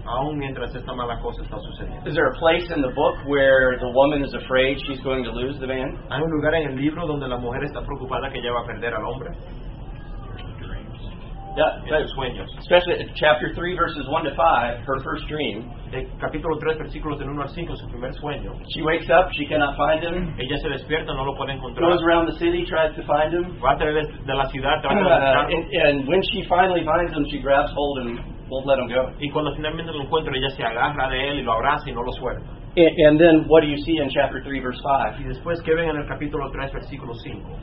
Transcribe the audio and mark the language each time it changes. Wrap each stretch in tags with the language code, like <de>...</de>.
<es>Aún mientras esta mala cosa está sucediendo.</es> <en>Is there a place in the book where the woman is afraid she's going to lose the man?</en> <es>¿Hay un lugar en el libro donde la mujer está preocupada que ella va a perder al hombre?</es> <en>Yeah,</en> <es>sus sueños.</es> <en>Especially chapter 3 verses 1 to 5, her first dream.</en> <es>El capítulo 3 versículos del 1 al 5, su primer sueño.</es> <en>She wakes up, she cannot find him.</en> <es>Ella se despierta, no lo puede encontrar.</es> <en>Goes around the city, tries to find him.</en> <es>Va a través de la ciudad, trata de buscarlo.</es> <en>And when she finally finds him, she grabs hold and won't let him go.</en> <es>Y cuando finalmente lo encuentra, ella se agarra de él y lo abraza y no lo suelta.</es> <en>And then what do you see in chapter 3 verse 5?</en> <es>Y después qué ven en el capítulo 3 versículo 5?</es>